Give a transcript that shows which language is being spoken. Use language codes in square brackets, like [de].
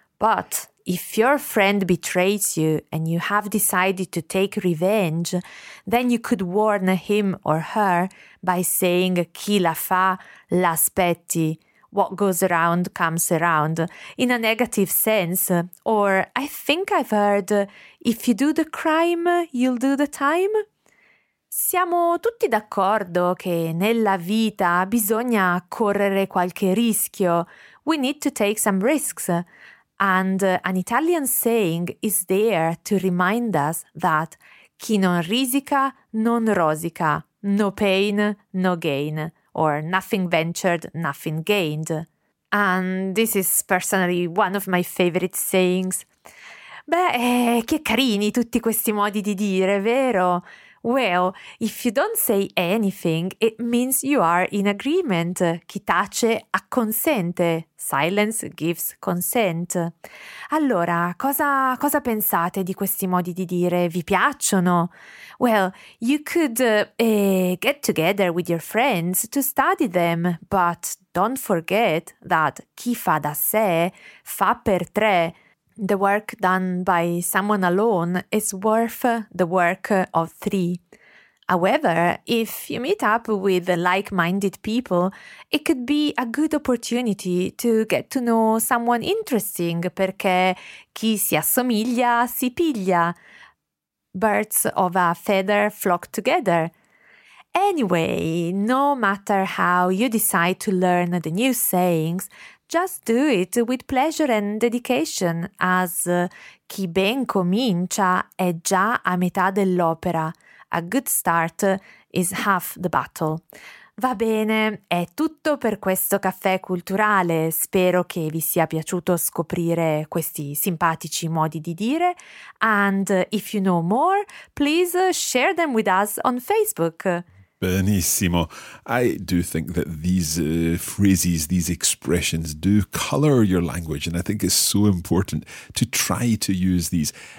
[en] But if your friend betrays you and you have decided to take revenge, then you could warn him or her by saying [it] chi la fa l'aspetti, [en] what goes around comes around, in a negative sense. Or I think I've heard if you do the crime, you'll do the time. [it] Siamo tutti d'accordo che nella vita bisogna correre qualche rischio. [en] We need to take some risks. And an Italian saying is there to remind us that [it] chi non risica, non rosica. [en] No pain, no gain. Or nothing ventured, nothing gained. And this is personally one of my favorite sayings. [it] Beh, che carini tutti questi modi di dire, vero? [en] Well, if you don't say anything, it means you are in agreement. [it] Chi tace acconsente. [en] Silence gives consent. [it] Allora, cosa pensate di questi modi di dire? Vi piacciono? [en] Well, you could get together with your friends to study them, but don't forget that [it] chi fa da sé fa per tre. [en] The work done by someone alone is worth the work of three. However, if you meet up with like-minded people, it could be a good opportunity to get to know someone interesting [it] perché chi si assomiglia si piglia. [en] Birds of a feather flock together. Anyway, no matter how you decide to learn the new sayings, just do it with pleasure and dedication, as [it] chi ben comincia è già a metà dell'opera. [en] A good start is half the battle. [it] Va bene, è tutto per questo caffè culturale. Spero che vi sia piaciuto scoprire questi simpatici modi di dire. [en] And if you know more, please share them with us on Facebook. [it] Benissimo. [en] I do think that these phrases, these expressions do color your language, and I think it's so important to try to use these.